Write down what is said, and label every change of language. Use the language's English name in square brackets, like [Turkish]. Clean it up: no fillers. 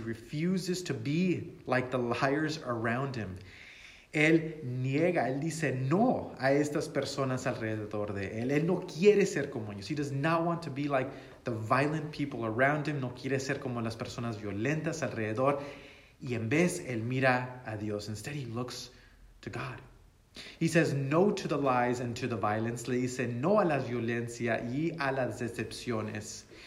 [English] He refuses to be like the liars around him. [Spanish] Él niega, él dice no a estas personas alrededor de él. Él no quiere ser como ellos. [English] He does not want to be like the violent people around him. [Spanish] No quiere ser como las personas violentas alrededor. Y en vez, él mira a Dios. [English] Instead, he looks to God. He says no to the lies and to the violence. [Spanish] Le dice no a la violencia y a las decepciones.